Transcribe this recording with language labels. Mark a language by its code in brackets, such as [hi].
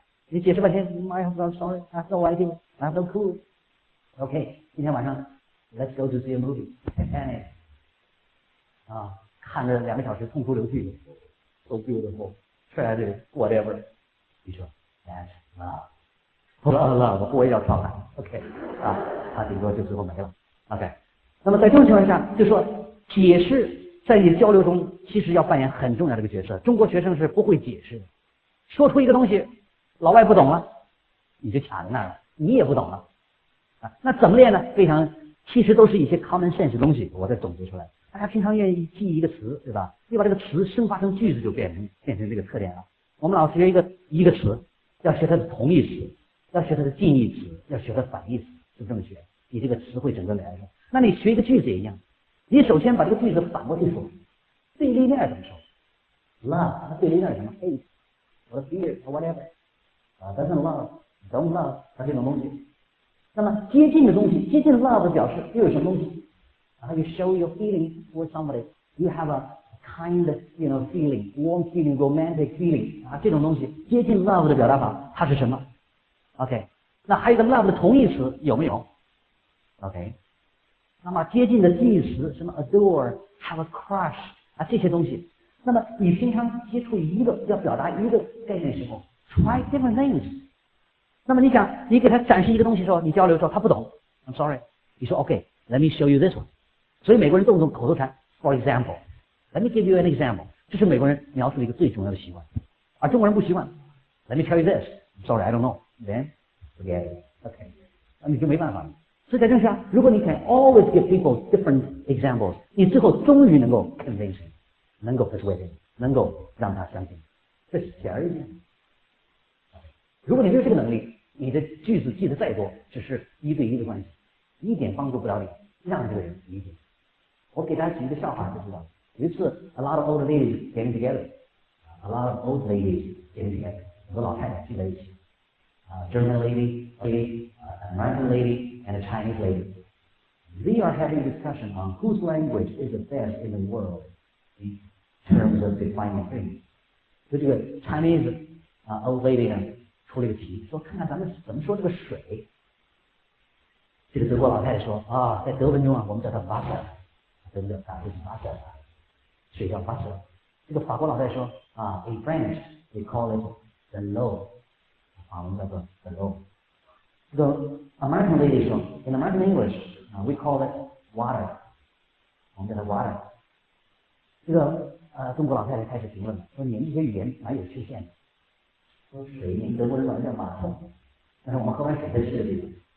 [zh] 你解释半天 [en] I have no sorry, I have no idea, I have no clue. Okay, [zh] 今天晚上 [en] let's go to see a movie, Titanic. [zh] 啊，看了2个小时痛哭流涕。 [en] So beautiful, tragic, whatever. [zh] 你说 [en] that's love. [zh] Love, love, 我也要跳了。OK, 啊，他顶多就最后没了。 OK, 那么在这种情况下，就说解释在你的交流中其实要扮演很重要的一个角色。中国学生是不会解释的，说出一个东西，老外不懂了，你就卡在那儿了，你也不懂了。啊，那怎么练呢？非常，其实都是一些 common sense 的东西，我再总结出来。大家平常愿意记一个词，对吧？你把这个词生发成句子，就变成这个特点了。我们老学一个词，要学它的同义词，要学它的近义词，要学它的反义词，是这么学。以这个词汇整个来说，那你学一个句子也一样，你首先把这个句子反过去说，对立面怎么说 ？Love， 它对立面是什么 ？ [en] Hate， or fear， or whatever， doesn't love， don't love， [zh] 它这种东西。那么接近的东西，接近 love 表示又有什么东西？ [en] You show your feeling for somebody. You have a kind, you know, feeling, warm feeling, romantic feeling. [zh] 啊，这种东西接近 love 的表达法，它是什么 [en] ？OK， [zh] 那还有个 love 的同义词有没有？OK， 那么接近的近义词什么 adore have a crush 啊，这些东西，那么你平常接触一个要表达一个概念的时候 [en] try different things， [zh] 那么你想你给他展示一个东西的时候，你交流的时候他不懂， I'm sorry， 你说 OK [en] let me show you this one。 [zh] 所以美国人动不动口头禅 [en] for example let me give you an example， [zh] 这是美国人描述的一个最重要的习惯，而中国人不习惯 [en] let me tell you this I'm sorry I don't know then forget it OK， [zh] 那你就没办法了。所以在这下，如果你 [en] can always give people different examples， [zh] 你最后终于能够 convince him， 能够 persuade him， 能够让他相信，这是显而易见。如果你没有这个能力，你的句子记得再多，只是一对一的关系，一点帮助不了你让这个人理解。我给大家举一个笑话就知道，有一次 [en] a lot of old ladies getting together， a lot of old ladies getting together， [zh] 很多老太太聚在一起， [en] German lady, American lady, and a Chinese lady. They are having a discussion on whose language is the best in the world in terms of defining things. [zh] 所以这个 Chinese old lady 呢出了一个题，说看看咱们怎么说这个水。这个德国老太太说啊，在德文中啊，我们叫它 Wasser， 德文叫它就是 Wasser， 水叫 Wasser。这个法国老太太说啊 ， [en] in French we call it the low。 [zh] 啊，我们叫做 [en] the low。这个 American lady 说 ，in American English， we call it water。 [zh] 我们叫它 water。这个中国老太太开始评论了，说你们这些语言蛮有缺陷的。说水，你们德国人管叫马桶，但是我们喝完水才是这个地方。